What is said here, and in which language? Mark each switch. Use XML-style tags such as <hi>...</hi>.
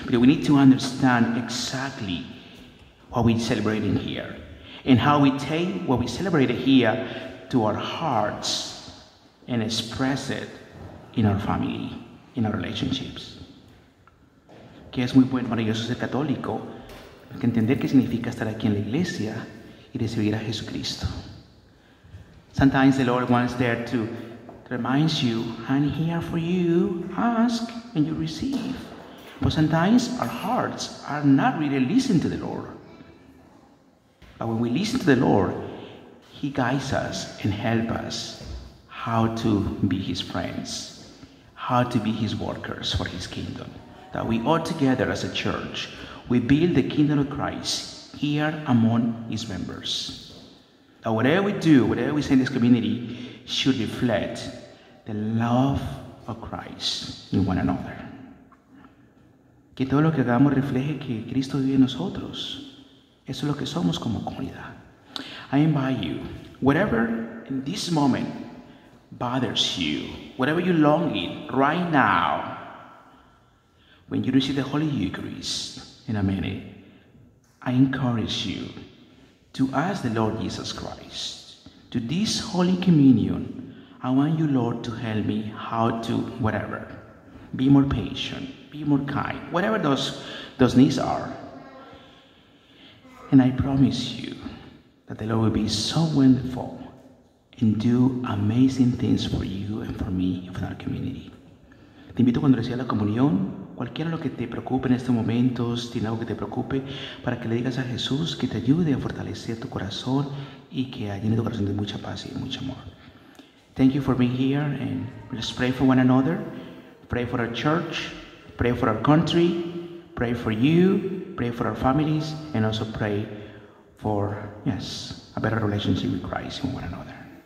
<en>But we need to understand exactly what we're celebrating here and how we take what we celebrate here to our hearts and express it in our family, in our relationships.</en> <es>Que es muy maravilloso ser católico, que entender qué significa estar aquí en la iglesia y recibir a Jesucristo.</es> <en>Sometimes the Lord wants there to remind you, I'm here for you, ask and you receive. But sometimes our hearts are not really listening to the Lord. But when we listen to the Lord, He guides us and helps us how to be His friends, how to be His workers for His kingdom. That we all together as a church, we build the kingdom of Christ here among His members. That whatever we do, whatever we say in this community, should reflect the love of Christ in one another.</en> <es>Que todo lo que hagamos refleje que Cristo vive en nosotros. Eso es lo que somos como comunidad.</es> <en>I invite you, whatever in this moment bothers you, whatever you long in right now, when you receive the Holy Eucharist in a minute, I encourage you to ask the Lord Jesus Christ, to this Holy Communion, I want you, Lord, to help me how to, whatever, be more patient, be more kind, whatever those needs are. And I promise you that the Lord will be so wonderful and do amazing things for you and for me and for our community.</en> <es>Te invito cuando recibas la comunión, cualquiera lo que te preocupe en estos momentos, tiene algo que te preocupe, para que le digas a Jesús que te ayude a fortalecer tu corazón y que llene tu corazón de mucha paz y mucho amor.</es> <en>Thank you for being here, and let's pray for one another. Pray for our church, pray for our country, pray for you, pray for our families, and also pray for, yes, a better relationship with Christ and one another.</en>